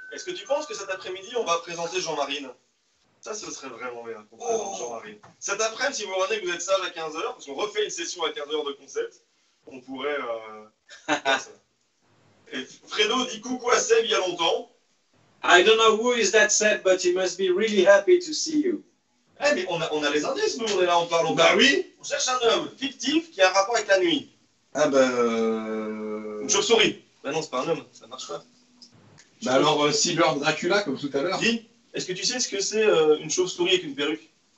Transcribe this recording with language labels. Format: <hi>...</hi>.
<fr>Est-ce que tu penses que cet après-midi, on va présenter Jean-Marine? Ça, ce serait vraiment bien pour Jean-Marine. Cet après-midi, si vous rendez, vous êtes sage à 15h, parce qu'on refait une session à 15h de concept, on pourrait... Et Fredo dit coucou à Seb il y a longtemps.</fr> <en>I don't know who is that Seb, but he must be really happy to see you.</en> <fr>Eh, mais on a les indices, nous, on est là, on parle. Bah oui. On cherche un homme fictif qui a un rapport avec la nuit. Ah ben... Une chauve-souris. Ben non, c'est pas un homme, ça marche pas. Ben alors, Cyber Dracula, comme tout à l'heure. Dis, est-ce que tu sais ce que c'est une chauve-souris avec une perruque?</fr>